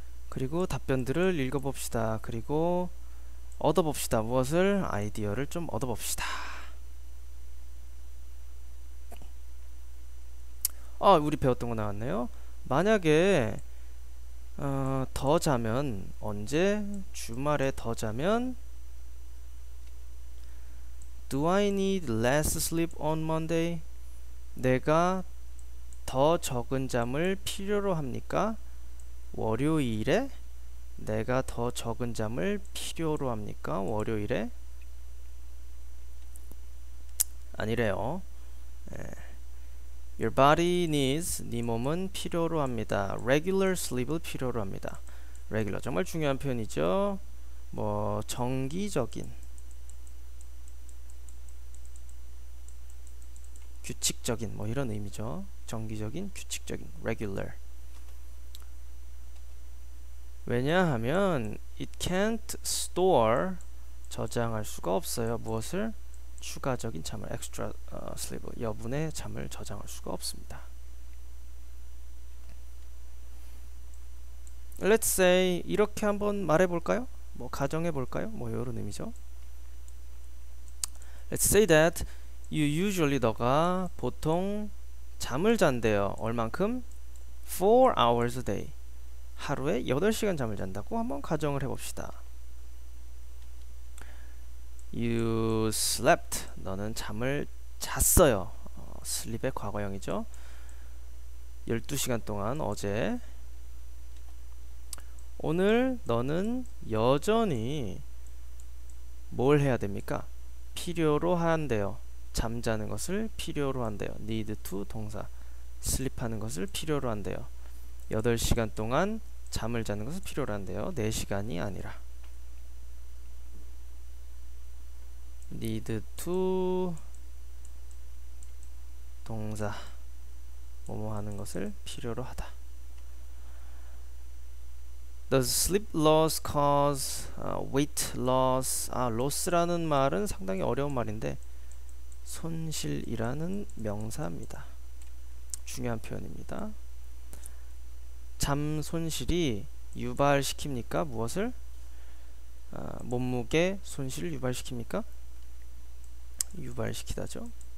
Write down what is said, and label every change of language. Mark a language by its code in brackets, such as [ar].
[ko] 그리고 답변들을 읽어봅시다. 그리고 얻어봅시다. 무엇을? 아이디어를 좀 얻어봅시다. 아, 우리 배웠던 거 나왔네요. 만약에 더 자면 언제? 주말에 더 자면 [en] Do I need less sleep on Monday? [ko] 내가 더 적은 잠을 필요로 합니까? 월요일에 내가 더 적은 잠을 필요로 합니까? 월요일에 아니래요. 네. [en] Your body needs, [ko] 네 몸은 필요로 합니다. Regular sleep을 필요로 합니다. Regular, 정말 중요한 표현이죠. 뭐, 정기적인, 규칙적인, 뭐 이런 의미죠. 정기적인, 규칙적인, regular. 왜냐하면, [en] it can't store, [ko] 저장할 수가 없어요. 무엇을? 추가적인 잠을 extra sleep 여분의 잠을 저장할 수가 없습니다. [en] Let's say [ko] 이렇게 한번 말해 볼까요? 뭐 가정해 볼까요? 뭐 이런 의미죠. [en] Let's say that you usually [ko] 너가 보통 잠을 잔대요. 얼만큼? [en] 4 hours a day. [ko] 하루에 8시간 잠을 잔다고 한번 가정을 해 봅시다. [en] You slept. [ko] 너는 잠을 잤어요. Sleep의 과거형이죠. 12시간 동안 어제. 오늘 너는 여전히 뭘 해야 됩니까? 필요로 한대요. 잠자는 것을 필요로 한대요. [en] Need to 동사. [ko] Sleep 하는 것을 필요로 한대요. 8시간 동안 잠을 자는 것을 필요로 한대요. 4시간이 아니라. [en] Need to 동사. [ko] 뭐뭐 하는 것을 필요로 하다. [en] Does sleep loss cause weight loss? [ko] 아, loss라는 말은 상당히 어려운 말인데 손실이라는 명사입니다. 중요한 표현입니다. 잠 손실이 유발시킵니까? 무엇을? 몸무게 손실을 유발시킵니까? 유발시키다죠.